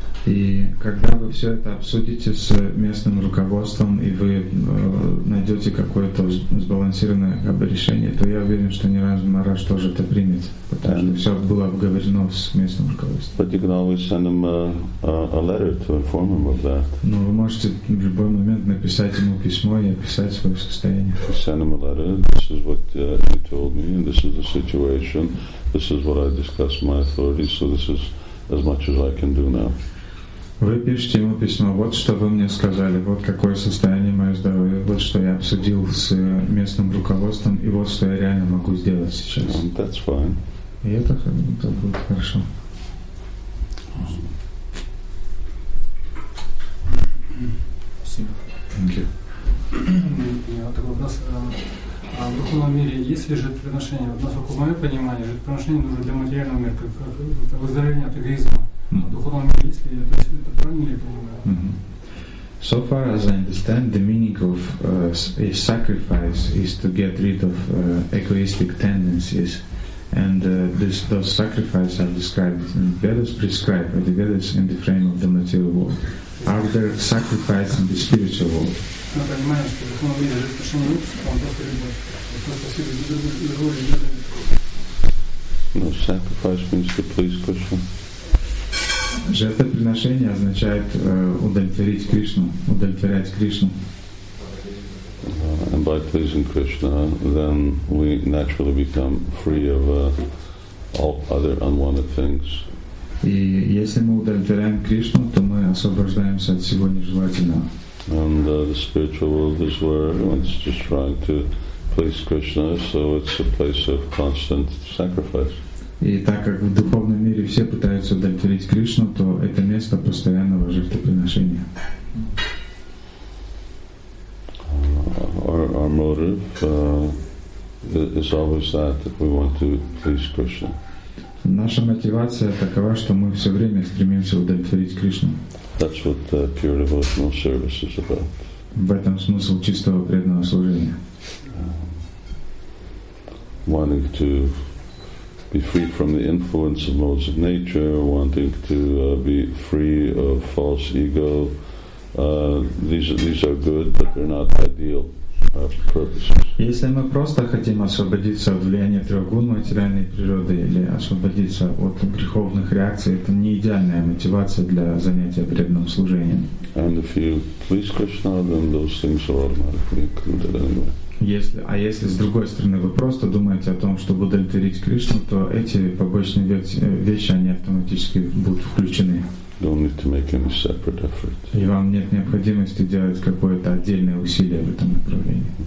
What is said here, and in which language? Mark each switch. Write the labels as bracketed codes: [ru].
[ru] И когда вы все это обсудите с местным руководством, и вы найдете какое-то сбалансированное решение, то я уверен, что Ниранджан Махарадж тоже это примет, потому что все было обговорено с местным руководством. [en] But you can always send him a letter to inform him of that. [ru] Но вы можете в любой момент написать ему письмо и описать свое состояние. [en] Send him a letter. This is what you told me. This is the situation. This is what I discussed with my authority. So this is as much as I can do now. [ru] Вы пишете ему письмо, вот что вы мне сказали, вот какое состояние мое здоровье, вот что я обсудил с местным руководством, и вот что я реально могу сделать сейчас. [en] And that's fine. [ru] И это будет хорошо. В духовном мире есть ли жертвоприношение? Вот, насколько мое понимание, жертвоприношение нужно для материального мира, как выздоровление от эгоизма. [en] So far as I understand, the meaning of a sacrifice is to get rid of egoistic tendencies, and those sacrifices are described in the Vedas, prescribed by the Vedas in the frame of the material world. Are there sacrifices in the spiritual world? No, sacrifice means to please Krishna. [ru] Жертвоприношение означает удовлетворить Кришну, удовлетворять Кришну. [en] And by pleasing Krishna, then we naturally become free of all other unwanted things. [ru] И если мы удовлетворяем Кришну, то мы освобождаемся от всего нежелательного. [en] And the spiritual world is where one's just trying to please Krishna, so it's a place of constant sacrifice. [ru] И так как в духовном мире все пытаются удовлетворить Кришну, то это место постоянного жертвоприношения. [en] Our motive is always that we want to please Krishna. [ru] Наша мотивация такова, что мы все время стремимся удовлетворить Кришну. [en] That's what pure devotional service is about. [ru] В этом смысл чистого преданного служения. [en] Wanting to be free from the influence of modes of nature, wanting to be free of false ego. These are good, but they're not ideal. [ru] Если мы просто хотим освободиться от влияния трёхгун материальной природы или освободиться от греховных реакций, это не идеальная мотивация для занятия преданным служением. [en] And if you please Krishna, then those things are automatically included anyway. [ru] Если с другой стороны вы просто думаете о том, чтобы удовлетворить Кришну, то эти побочные вещи они автоматически будут включены. [en] Don't need to make any separate effort. [ru] И вам нет необходимости делать какое-то отдельное усилие в этом направлении.